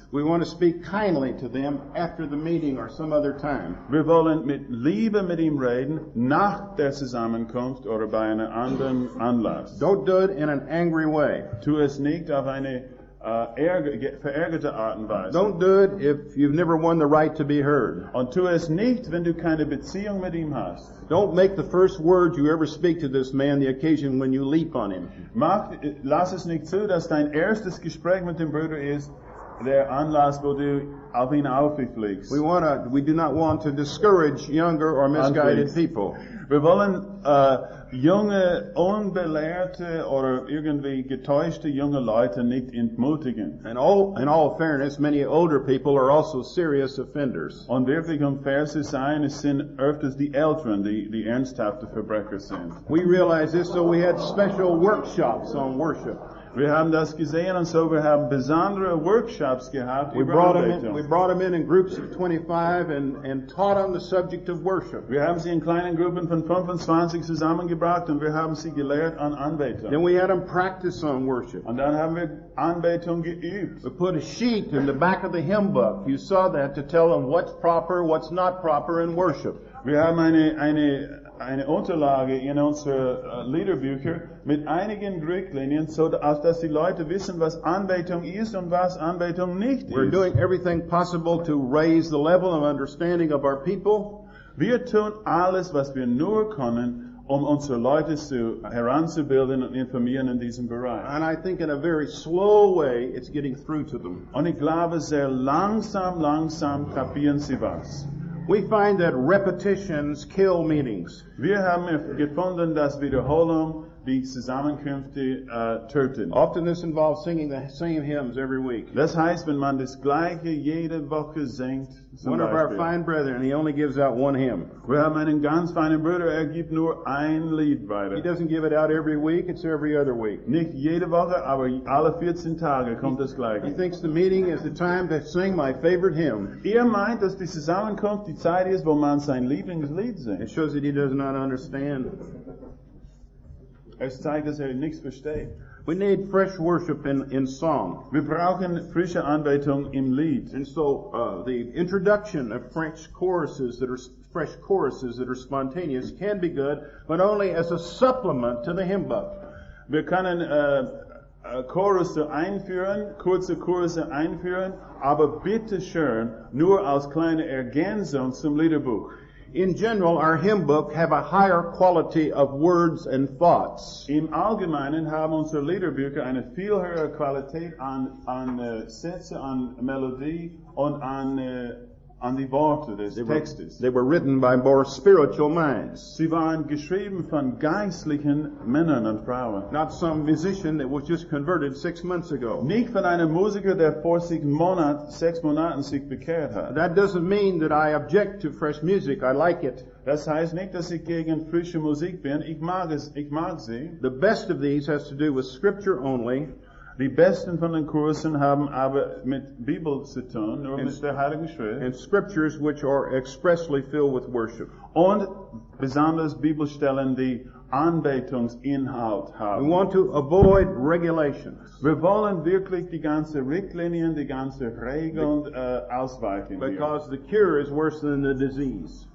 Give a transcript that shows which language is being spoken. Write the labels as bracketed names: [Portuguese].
[English] We want to speak kindly to them after the meeting or some other time. [German] Wir wollen mit Liebe mit ihm reden, nach der Zusammenkunft oder bei einer anderen Anlass. [English] Don't do it in an angry way. [German] Tu es nicht auf eine verärgerte Art und Weise. [English] Don't do it if you've never won the right to be heard. [German] Und tu es nicht, wenn du keine Beziehung mit ihm hast. [English] Don't make the first word you ever speak to this man the occasion when you leap on him. [German] Lass es nicht zu, dass dein erstes Gespräch mit dem Bruder ist, der Anlass, wo du auf ihn aufgefliegst. [English] We do not want to discourage younger or misguided people. [German] Wir wollen junge, unbelehrte oder irgendwie getäuschte junge Leute nicht entmutigen. [English] In all fairness, many older people are also serious offenders. [German] Und wirklich, um fair zu sein, es sind öfters die Älteren, die ernsthafte Verbrecher sind. [English] We realized this, so we had special workshops on worship. [German] Wir haben das gesehen, und so wir haben besondere Workshops gehabt. [English] We brought them in groups of 25 and taught on the subject of worship. [German] Wir haben sie in kleinen Gruppen von 25 zusammengebracht, und wir haben sie gelehrt an Anbetung. [English] Then we had them practice on worship. [German] Und dann haben wir Anbetung geübt. [English] We put a sheet in the back of the hymn book. You saw that, to tell them what's proper, what's not proper in worship. [German] Wir haben eine Unterlage in unser Liederbücher mit einigen Richtlinien, so dass die Leute wissen, was Anbetung ist und was Anbetung nicht ist. [English] We're doing everything possible to raise the level of understanding of our people. [German] Wir tun alles, was wir nur können, um unsere Leute heranzubilden und informieren in diesem Bereich. [English] And I think in a very slow way it's getting through to them. [German] Und ich glaube, sehr langsam kapieren sie was. [English] We find that repetitions kill meanings. [German] Wir haben gefunden, dass Wiederholung die Zusammenkünfte töten. [English] Often this involves singing the same hymns every week. [German] Das heißt, wenn man das gleiche jede Woche singt. [English] One of our fine brethren, he only gives out one hymn. [German] Wir haben einen ganz feinen Bruder, er gibt nur ein Lied weiter. [English] He doesn't give it out every week, it's every other week. [German] Nicht jede Woche, aber alle 14 Tage kommt das gleiche. [English] He thinks the meeting is the time to sing my favorite hymn. [German] Er meint, dass die Zusammenkunft die Zeit ist, wo man sein Lieblingslied singt. [English] It shows that he does not understand. [German] Es zeigt, dass er nichts versteht. [English] We need fresh worship in song. [German] Wir brauchen frische Anbetung im Lied. [English] And so the introduction of fresh choruses that are spontaneous can be good, but only as a supplement to the hymn book. [German] Wir können kurze Chorus einführen, aber bitte schön nur als kleine Ergänzung zum Liederbuch. [English] In general, our hymn book have a higher quality of words and thoughts. [German] Im Allgemeinen haben unsere Liederbücher eine viel höhere Qualität an Sätze, an Melodie und an die Worte des Textes. [English] They were written by more spiritual minds. [German] Sie waren geschrieben von geistlichen Männern und Frauen. [English] Not some musician that was just converted 6 months ago. [German] Nicht von einem Musiker, der vor sechs Monaten sich bekehrt hat. [English] That doesn't mean that I object to fresh music. I like it. [German] Das heißt nicht, dass ich gegen frische Musik bin. Ich mag sie. [English] The best of these has to do with scripture only. [German] Die besten von den Kursen haben aber mit Bibel zu tun, nur mit der Heiligen Schrift. [English] And scriptures which are expressly filled with worship. [German] Und besonders Bibelstellen, die Anbetungsinhalt haben. [English] We want to avoid regulations. [German] Wir wollen wirklich die ganze Richtlinien, die ganze Regeln ausweiten. [English] Because the cure is worse than the disease.